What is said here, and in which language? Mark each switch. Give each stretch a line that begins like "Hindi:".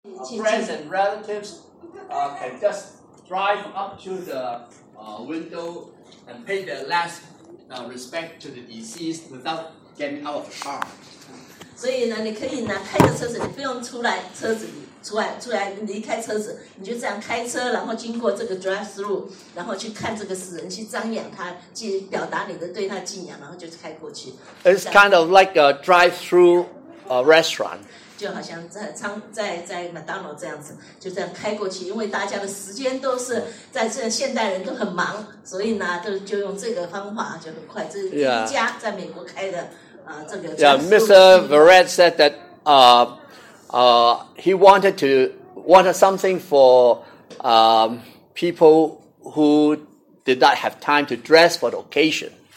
English: friends and relatives can just drive up to the window and pay their last respect to the deceased without getting out of the car.
Chinese: 所以呢，你可以呢开着车子，你不用出来车子里，出来离开车子，你就这样开车，然后经过这个 drive through， 然后去看这个死人，去瞻仰他，去表达你的对他敬仰，然后就开过去。
English: It's kind of like a drive through restaurant.
Chinese: 就好像在 McDonald's 这样子，就这样开过去，因为大家的时间都是在这现代人都很忙，所以呢，就用这个方法就很快，这是第一家在美国开的。
English: Yeah, Mr. Verrett said that he wanted to something for people who did not have time to dress for the occasion.